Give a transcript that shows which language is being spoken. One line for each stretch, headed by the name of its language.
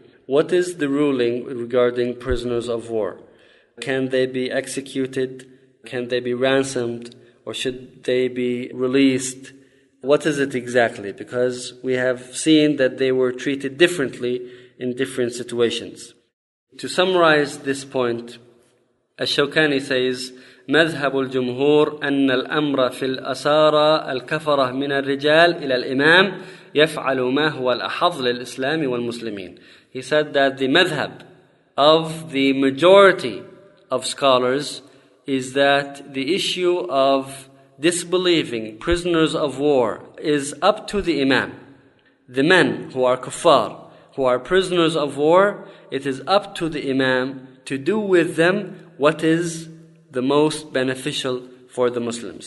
English: What is the ruling regarding prisoners of war? Can they be executed? Can they be ransomed? Or should they be released? What is it exactly? Because we have seen that they were treated differently in different situations. To summarize this point,
Arabic: الشوكاني says, مذهب الجمهور أن الأمر في الأسارة الكفرة من الرجال إلى الإمام يفعل ما هو الأحظ للإسلام والمسلمين.
English: He said that the madhab of the majority of scholars is that the issue of disbelieving prisoners of war is up to the imam. The men who are kuffar, who are prisoners of war, it is up to the imam to do with them what is the most beneficial for the Muslims.